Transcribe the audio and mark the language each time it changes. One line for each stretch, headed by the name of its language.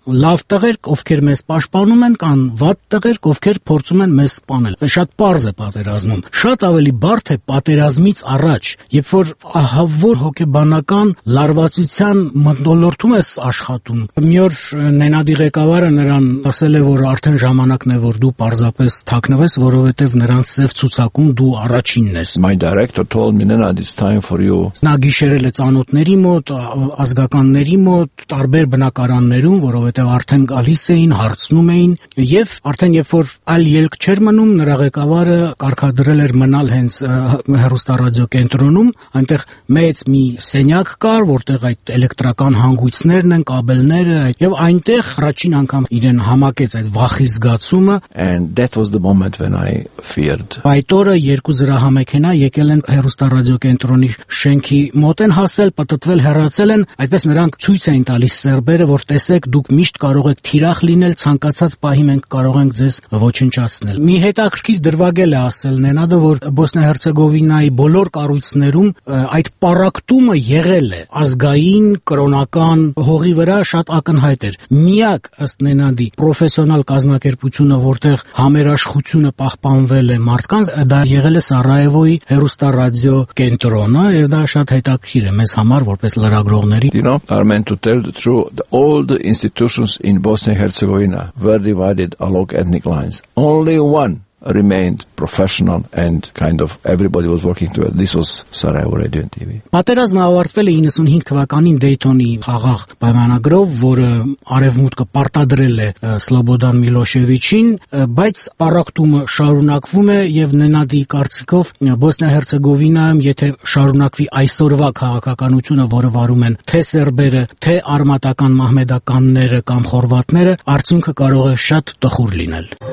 Armenian: լավ տղեր, ովքեր մեզ պաշտպանում են, կան վատ տղեր, ովքեր փորձում են մեզ սպանել։ Շատ պարզ է պատերազմում։ Շատ ավելի բարդ է պատերազմից առաջ, երբ որ ահավոր հոգեբանական լարվածության մթնոլորտում ես աշխատում։ Մի օր Նենադի ղեկավարը նրան ասել է, որ արդեն ժամանակն է, որ դու պարզապես թաքնվես, որովհետև նրանց սև ցուցակում դու առաջինն ես։
English: My director told me, Nenad, it's time for you.
Armenian: Նա գիշերել է ծանոթների մոտ, ազգականների մոտ, տարբեր բնակարաններում, որովհետև արդեն գալիս էին, հարցնում էին, եւ արդեն երբ որ այլ ելք չէր մնում, նրա ղեկավարը կարգադրել էր մնալ հենց հեռուստառադիոկենտրոնում, այնտեղ մեծ մի սենյակ կար, որտեղ այդ էլեկտրական հանգույցներն են, կաբելները, եւ այնտեղ առաջին անգամ իրեն համակեց այդ վախի զգացումը.
English: And that was the moment when I feared.
Armenian: Այդ օրը երկու զրահամեքենա եկել են հեռուստառադիոկենտրոնի շենքի մոտ, են հասել, պատտվել, հեռացել են, այդպես նրանք ցույց էին տալիս սերբերը, որ տեսեք, դուք միշտ կարող եք թիրախ լինել, ցանկացած պահի մենք կարող ենք ձեզ ոչնչացնել։ Մի հետաքրքիր դրվագել է ասել Նենադը, որ Բոսնիա-Հերցեգովինայի բոլոր կառույցներում այդ պարակտումը եղել է, ազգային կրոնական հողի վրա շատ ակնհայտ էր։ Միակ, ըստ Նենադի, պրոֆեսիոնալ կազմակերպությունը, որտեղ համերաշխությունը պահպանվել է մարդկանց, դա եղել է Սարայևոյի հեռուստառադիո կենտրոնը, եւ դա շատ հետաքրքիր է մեզ համար որպես լրագրողների։
English: The institutions in Bosnia-Herzegovina were divided along ethnic lines. Only one remained professional and kind of everybody was working together. This was Sarajevo Radio and TV.
Armenian: Պատերազմը ավարտվել է 95 թվականին Դեյտոնի խաղաղ պայմանագրով, որը արևմուտքը պարտադրել է Սլոբոդան Միլոշևիչին, բայց պարակտումը շարունակվում է, եւ Նենադի կարծիքով Բոսնիա-Հերցեգովինայում, եթե շարունակվի այսօրվա քաղաքականությունը, որը վարում են թե սերբերը, թե արմատական մահմեդականները կամ խորվատները, արդյունքը կարող է շատ տխուր լինել։